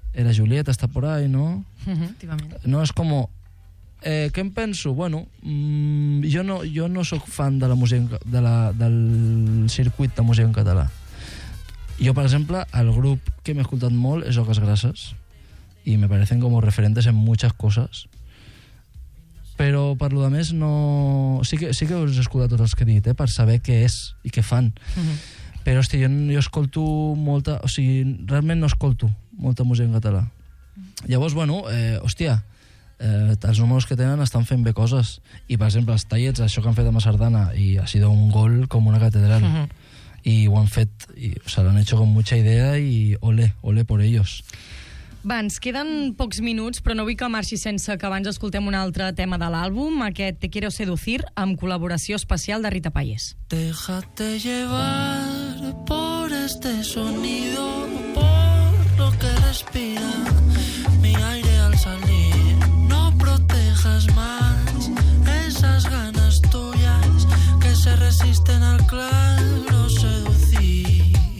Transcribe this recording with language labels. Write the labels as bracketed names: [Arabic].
[Catalan] La Julieta està [Spanish] por ahí, [Catalan] no? Efectivament. No, és com... què em penso? Bueno, jo no sóc fan de la música... del circuit de música en català. Jo, per exemple, el grup que m'he escoltat molt és Oques Grasses. [Spanish] Y me parecen como referentes en muchas cosas. [Catalan] Pero per lo demés no... Sí que us he escoltat tots els que he dit, per saber què és i què fan. Però, hòstia, jo escolto molta... O sigui, realment no escolto molta música en català. Llavors, bueno, hòstia, els números que tenen estan fent bé coses. I, per exemple, els tallets, això que han fet amb la sardana, i [Spanish] ha sido [Catalan] un gol com una catedral. I ho han fet, i se l'han [Spanish] hecho con mucha idea, [Catalan] i [Spanish] ole, ole por ellos. [Catalan] Va, ens queden pocs minuts, però no vull que marxi sense que abans escoltem un altre tema de l'àlbum, aquest Te Quiero Seducir, amb col·laboració especial de Rita Payés. [Spanish] Déjate llevar por este sonido, por lo que respira mi aire al salir. No protejas más esas ganas tuyas que se resisten al claro seducir.